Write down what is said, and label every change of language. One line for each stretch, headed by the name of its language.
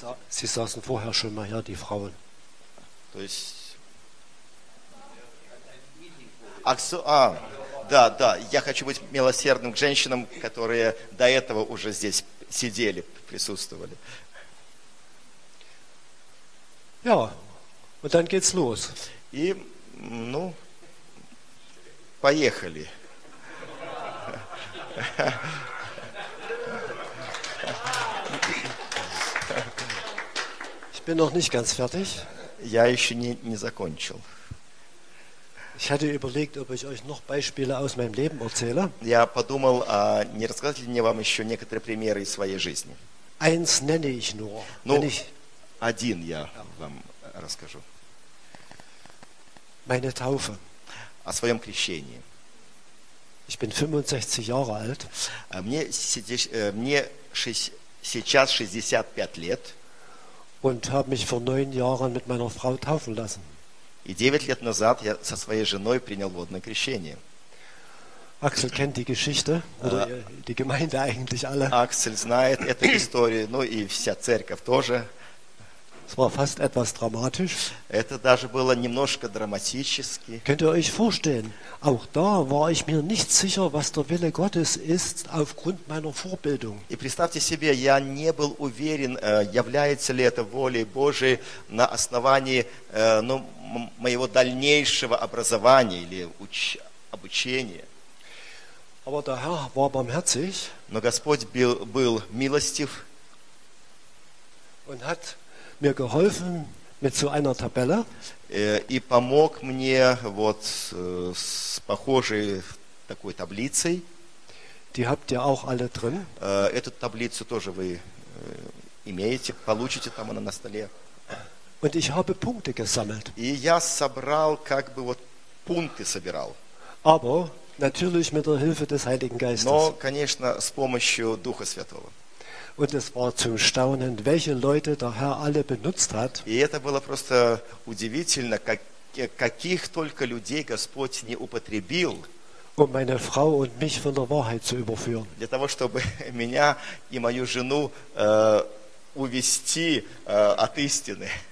German: Sie saßen vorher schon mal hier, die Frauen. Ach so,
Russian: да, да, я хочу быть милосердным к женщинам, которые до этого уже здесь сидели, присутствовали.
German: Ja, und dann geht's los.
Russian: И, ну, поехали.
German: Ich bin noch nicht ganz fertig.
Russian: Я еще не закончил.
German: Ich hatte überlegt, ob ich euch noch Beispiele aus meinem Leben erzähle.
Russian: Я подумал, не рассказать ли мне вам еще некоторые примеры из своей жизни.
German: Eins nenne ich nur.
Russian: Ну,
German: wenn ich...
Russian: один я вам расскажу.
German: Meine Taufe.
Russian: О своем крещении.
German: Ich bin 65 Jahre alt.
Russian: Мне сейчас 65 лет.
German: Und habe mich vor 9 Jahren mit meiner Frau taufen lassen.
Russian: И 9 лет назад я со своей женой принял водное крещение.
German: Аксель kennt die Geschichte, oder die Gemeinde eigentlich alle.
Russian: Аксель знает эту историю, ну и вся церковь тоже.
German: Es war fast etwas dramatisch.
Russian: Это даже было немножко драматически.
German: Könnt ihr euch vorstellen, auch da war ich mir nicht sicher, was der Wille Gottes ist, aufgrund meiner Vorbildung.
Russian: И представьте себе, я не был уверен, является ли это волей Божией на основании, ну, моего дальнейшего образования или обучения.
German: Aber der Herr war barmherzig.
Russian: Но Господь был милостив.
German: Und hat mir geholfen mit so einer Tabelle.
Russian: И помог мне вот с похожей такой таблицей.
German: Die habt ihr auch alle drin.
Russian: Эту таблицу тоже вы имеете, получите там она на столе.
German: Und ich habe Punkte gesammelt.
Russian: И я собрал как бы вот пункты собирал.
German: Aber natürlich mit der Hilfe des Heiligen Geistes.
Russian: Но, конечно, с помощью Духа Святого.
German: Und es war zum Staunen, welche Leute der Herr alle benutzt hat.
Russian: И это было просто удивительно, каких только людей Господь не употребил.
German: Um meine Frau und mich von der Wahrheit zu überführen.
Russian: Для того, чтобы меня и мою жену увести от истины.